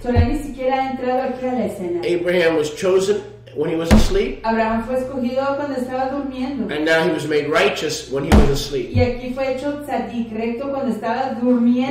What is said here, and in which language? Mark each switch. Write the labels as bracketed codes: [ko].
[es] Torah ni siquiera ha entrado aquí a la escena. [en] Abraham was chosen when he was asleep. [es] Abraham fue escogido cuando estaba durmiendo. [en] And now he was made righteous when he was asleep. [es] Y aquí fue hecho tzadik, recto cuando estaba durmiendo.